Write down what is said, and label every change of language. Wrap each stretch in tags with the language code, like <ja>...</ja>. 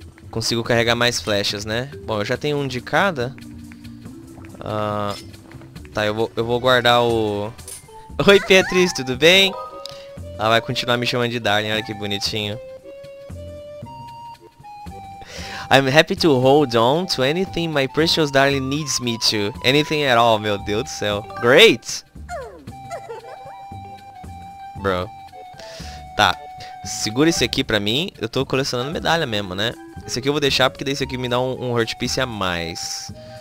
<pt>Consigo carregar mais flechas, né? Bom, eu já tenho um de cada. Tá, eu vou guardar o... Oi, Beatriz, tudo bem? Ela vai continuar me chamando de Darling, olha que bonitinho.</pt> <en>I'm happy to hold on to anything my precious darling needs me to. Anything at all,</en> <pt>meu Deus do céu.</pt> <en>Great!</en> <pt>Bro. Tá, segura esse aqui pra mim. Eu tô colecionando medalha mesmo, né? Esse aqui eu vou deixar porque daí esse aqui me dá um Heart Piece a mais.</pt>